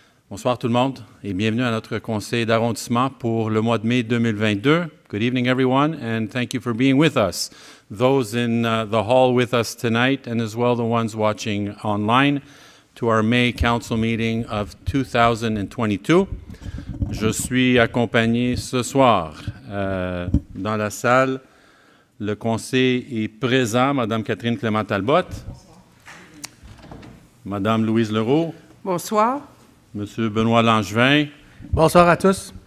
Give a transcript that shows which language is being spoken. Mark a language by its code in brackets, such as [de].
[fr] Bonsoir tout le monde et bienvenue à notre conseil d'arrondissement pour le mois de mai 2022. [en] Good evening everyone and thank you for being with us. Those in the hall with us tonight and as well the ones watching online to our May Council meeting of 2022. [fr] Je suis accompagné ce soir dans la salle. Le conseil est présent, Madame Catherine Clément-Talbot. Madame Louise Leroux. Bonsoir. Monsieur Benoît Langevin. Bonsoir à tous.